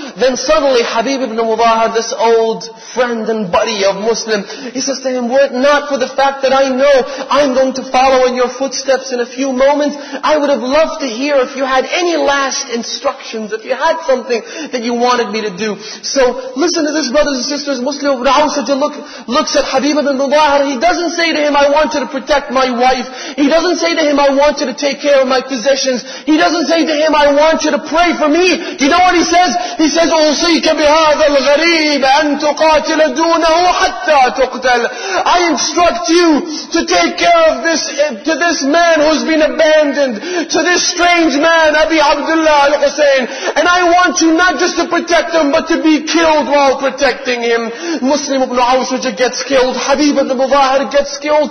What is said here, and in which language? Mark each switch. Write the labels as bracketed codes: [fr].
[en] Then suddenly Habib ibn Mudahir, this old friend and buddy of Muslim, he says to him, were it not for the fact that I know I'm going to follow in your footsteps in a few moments, I would have loved to hear if you had any last instructions, if you had something that you wanted me to do. So listen to this, brothers and sisters. Muslim ibn Awsajah looks at Habib ibn Mudahir, he doesn't doesn't say to him, I wanted to protect my wife. He doesn't say to him, I wanted to take care of my possessions. He doesn't say to him, I want you to pray for me. Do you know what he says? He says, [ar] أُوصِيكَ بِهَذَا الْغَرِيبَ أَن تُقَاتِلَ دُونَهُ حَتَّى تُقْتَلَ. [en] I instruct you to take care of this, to this man who's been abandoned, to this strange man, Abi Abdullah al-Hussein. And I want you not just to protect him, but to be killed while protecting him. Muslim ibn Awsujah gets killed. Habib ibn Muzahir gets killed.